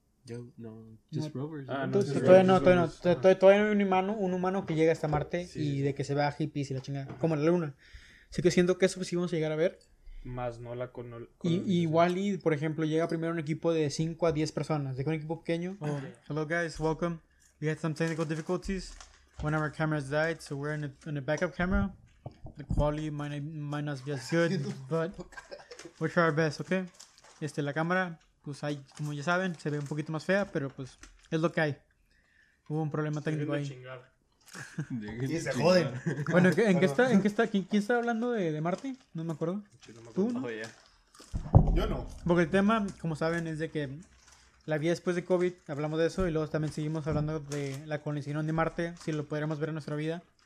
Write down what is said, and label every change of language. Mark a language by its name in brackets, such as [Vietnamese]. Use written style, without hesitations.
[Spanish] Todavía no hay un humano que llegue hasta Marte, sí, y sí, de que se vea hippies y la chingada, ajá, como la luna. Así que siento que eso sí vamos a llegar a ver. Más no la con el, Igual y, por ejemplo, llega primero un equipo de 5 a 10 personas, de un equipo pequeño. [English] Oh. Okay. Hello guys, welcome. We had some technical difficulties. One of our cameras died, so we're in a backup camera. The quality might not be as good, but we'll try our best, okay? [Spanish] La cámara, pues ahí, como ya saben, se ve un poquito más fea, pero pues es lo que hay. Hubo un problema técnico ahí. Y se joden. Bueno, ¿en qué está? ¿Quién está hablando de Marte? No me acuerdo. ¿Tú? ¿No? Yo no. Porque el tema, como saben, es de que la vida después de COVID, hablamos de eso, y luego también seguimos hablando de la colonización de Marte, si lo podríamos ver en nuestra vida.